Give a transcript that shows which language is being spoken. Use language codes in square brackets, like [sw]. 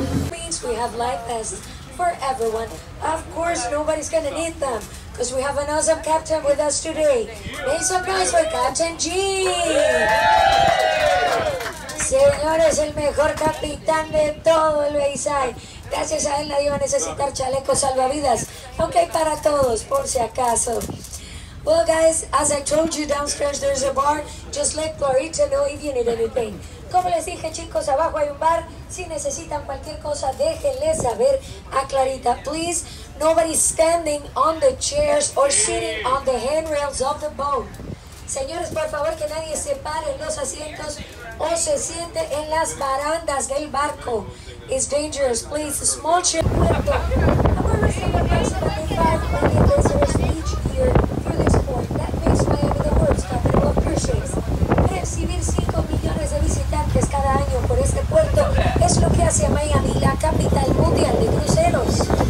[en] Means we have life vests for everyone. Of course, nobody's gonna need them because we have an awesome captain with us today. Make some noise for Captain G. [es] Señores, el mejor capitán de todo el Bayside. Gracias a él nadie va a necesitar chalecos salvavidas. Okay, para todos, por si acaso. [en] Well, guys, as I told you, downstairs there's a bar. Just let Clarita know if you need anything. [es] Como les dije, chicos, abajo hay un bar. Si necesitan cualquier cosa, déjenle saber a Clarita. [en] Please, nobody's standing on the chairs or sitting on the handrails of the boat. [es] Señores, por favor, que nadie se pare en los asientos o se siente en las barandas del barco. [en] It's dangerous, please. Small ship. I'm going to beach here for this port. That makes Miami the world's capital of cruise ships. [es] Recibir 5 millones de visitantes cada año por este puerto es lo que hace a Miami la capital mundial de cruceros.